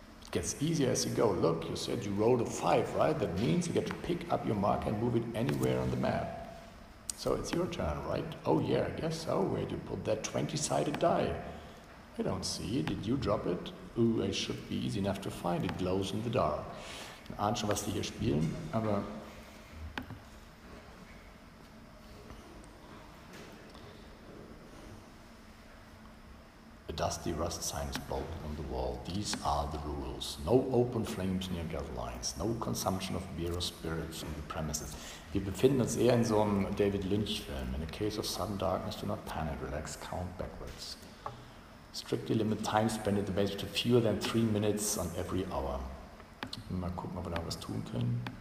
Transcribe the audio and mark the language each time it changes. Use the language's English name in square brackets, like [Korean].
[English] Gets easier as you go. Look, you said you rolled a 5, right? That means you get to pick up your marker and move it anywhere on the map. So it's your turn, right? Oh yeah, I guess so. Where'd you put that 20-sided die? I don't see it. Did you drop it? Ooh, it should be easy enough to find. It glows in the dark. [German] Ich ahn schon, was die hier spielen, aber... [English] Dusty rust signs bolted on the wall. These are the rules. No open flames near gas lines. No consumption of beer or spirits on the premises. [German] Wir befinden uns eher in so einem David Lynch-Film. [English] In a case of sudden darkness, do not panic. Relax, count backwards. Strictly limit time spent at the base to fewer than 3 minutes on every hour. [German] Mal gucken, ob wir da was tun können.